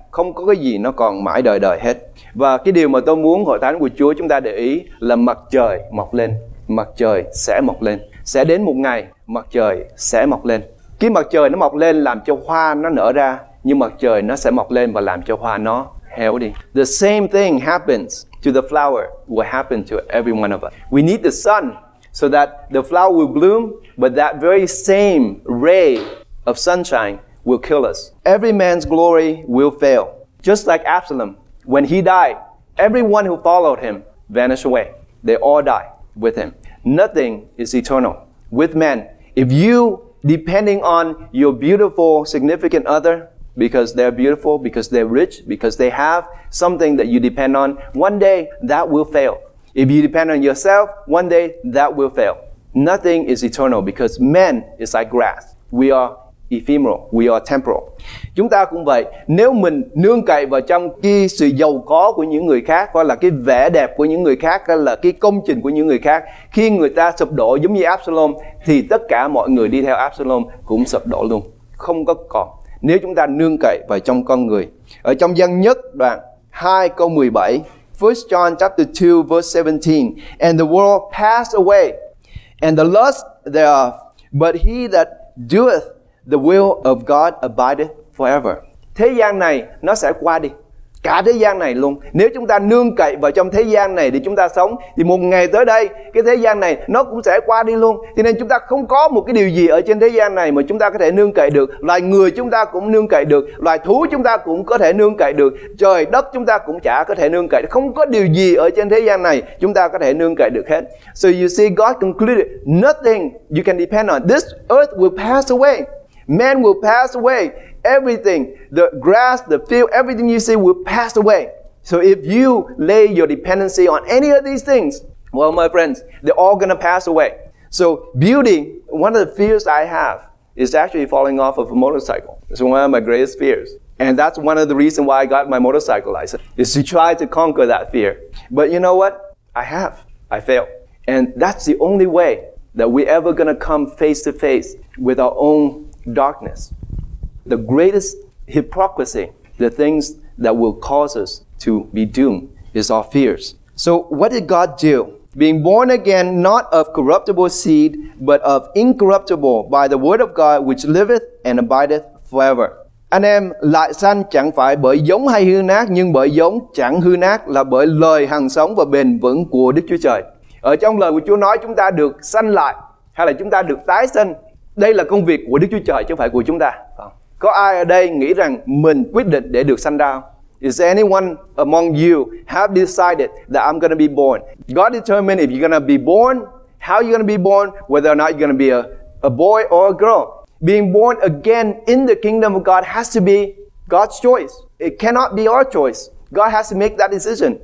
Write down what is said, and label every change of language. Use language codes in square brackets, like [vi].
[vi] Không có cái gì nó còn mãi đời đời hết. Và cái điều mà tôi muốn hội thánh của Chúa chúng ta để ý là mặt trời mọc lên. Mặt trời sẽ mọc lên. Sẽ đến một ngày mặt trời sẽ mọc lên. Cái mặt trời nó mọc lên làm cho hoa nó nở ra, nhưng mặt trời nó sẽ mọc lên và làm cho hoa nó héo đi. [en] The same thing happens to the flower will happen to every one of us. We need the sun so that the flower will bloom, but that very same ray of sunshine will kill us. Every man's glory will fail. Just like Absalom, when he died, everyone who followed him vanished away. They all die with him. Nothing is eternal with men. If you depending on your beautiful significant other, because they're beautiful, because they're rich, because they have something that you depend on, one day that will fail. If you depend on yourself, one day that will fail. Nothing is eternal because men is like grass. We are ephemeral. We are temporal. [vi] Chúng ta cũng vậy. Nếu mình nương cậy vào trong cái sự giàu có của những người khác, hoặc là cái vẻ đẹp của những người khác, hay là cái công trình của những người khác, khi người ta sụp đổ giống như Absalom, thì tất cả mọi người đi theo Absalom cũng sụp đổ luôn. Không có còn. Nếu chúng ta nương cậy vào trong con người. Ở trong Dân Nhất đoạn 2 câu 17, [en] 1 John chapter 2 verse 17, and the world passed away, and the lust thereof, but he that doeth the will of God abideth forever. [vi] Thế gian này nó sẽ qua đi. Cả thế gian này luôn. Nếu chúng ta nương cậy vào trong thế gian này để chúng ta sống, thì một ngày tới đây, cái thế gian này nó cũng sẽ qua đi luôn. Cho nên chúng ta không có một cái điều gì ở trên thế gian này mà chúng ta có thể nương cậy được. Loài người chúng ta cũng nương cậy được. Loài thú chúng ta cũng có thể nương cậy được. Trời đất chúng ta cũng chả có thể nương cậy. Không có điều gì ở trên thế gian này chúng ta có thể nương cậy được hết. [en] So you see, God concluded, nothing you can depend on. This earth will pass away. Man will pass away. Everything, the grass, the field, everything you see will pass away. So if you lay your dependency on any of these things, well, my friends, they're all going to pass away. So beauty, one of the fears I have is actually falling off of a motorcycle. It's one of my greatest fears. And that's one of the reasons why I got my motorcycle license, is to try to conquer that fear. But you know what? I have. I failed. And that's the only way that we're ever going to come face to face with our own darkness. The greatest hypocrisy, the things that will cause us to be doomed, is our fears. So what did God do? Being born again, not of corruptible seed, but of incorruptible, by the word of God, which liveth and abideth forever. [vi] Anh em, lại sanh chẳng phải bởi giống hay hư nát, nhưng bởi giống chẳng hư nát, là bởi lời hằng sống và bền vững của Đức Chúa Trời. Ở trong lời của Chúa nói chúng ta được sanh lại, hay là chúng ta được tái sinh. Đây là công việc của Đức Chúa Trời, chứ không phải của chúng ta. Có ai ở đây nghĩ rằng mình quyết định để được sanh ra? [en] Is anyone among you have decided that I'm going to be born? God determined if you're going to be born, how you're going to be born, whether or not you're going to be a boy or a girl. Being born again in the kingdom of God has to be God's choice. It cannot be our choice. God has to make that decision.